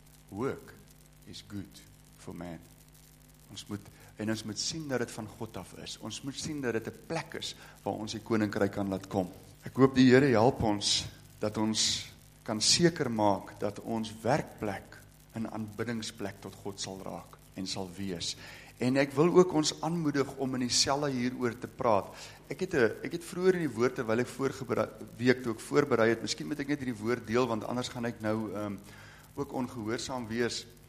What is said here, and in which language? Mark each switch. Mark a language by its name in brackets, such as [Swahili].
[English] Work is good for man. [Afrikaans] Ons moet sien dat dit van God af is. Ons moet sien dat dit 'n plek is waar ons die koninkryk kan laat kom. Ek hoop die Here help ons dat ons kan seker maak dat ons werkplek 'n aanbiddingsplek tot God sal raak en sal wees. En ek wil ook ons aanmoedig om in dieselfde hieroor te praat. Ek het vroeër in die woord terwyl ek voorberei het, miskien moet ek net hierdie woord deel want anders gaan ek nou ook ongehoorsaam wees.